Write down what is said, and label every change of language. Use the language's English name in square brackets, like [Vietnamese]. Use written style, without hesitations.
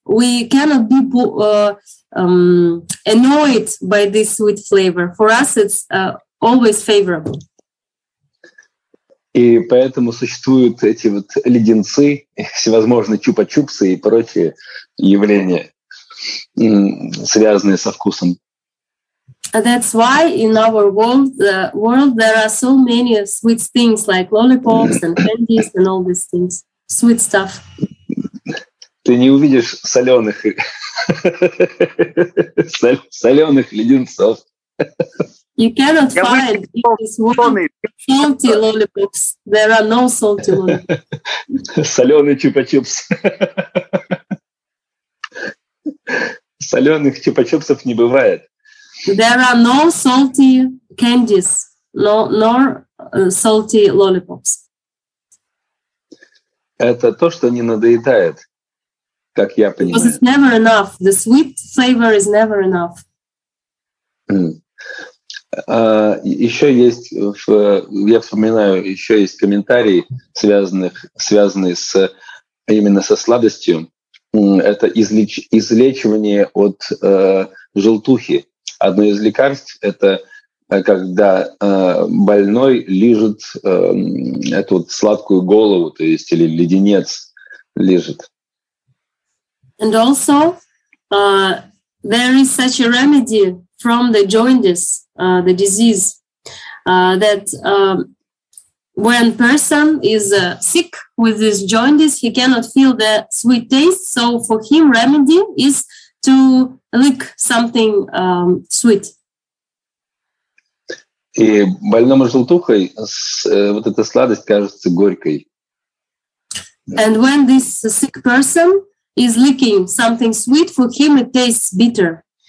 [English] We cannot be annoyed by this sweet flavor. For us, it's always favorable. [Russian] И поэтому существуют эти вот леденцы, всевозможные чупа-чупсы и прочие явления, связанные со вкусом. [English] That's why in our world there are so many sweet things like lollipops and candies and all these things, sweet stuff. [Russian] Ты не увидишь соленых леденцов. [English] You cannot find in this world salty lollipops. There are no salty lollipops. [Russian] Соленый чупа-чупс. Соленых чупа-чупсов не бывает. [English] There are no salty candies, nor salty lollipops. [Russian] Это то, что не надоедает, как я понимаю. [English] Because it's never enough. The sweet flavor is never enough. [Russian] Еще есть, я вспоминаю, еще есть комментарии, связанные с именно со сладостью. Это излечивание от желтухи. Одно из лекарств — это когда больной лижет эту вот сладкую голову, то есть или леденец лижет. [English] And also there is such a remedy from the jaundice, the disease, that when person is sick with this jaundice, he cannot feel the sweet taste, so for him remedy is to lick something sweet. [Russian] И больному желтухой вот эта сладость кажется горькой. [English] And when this sick person is licking something sweet, for him it tastes bitter.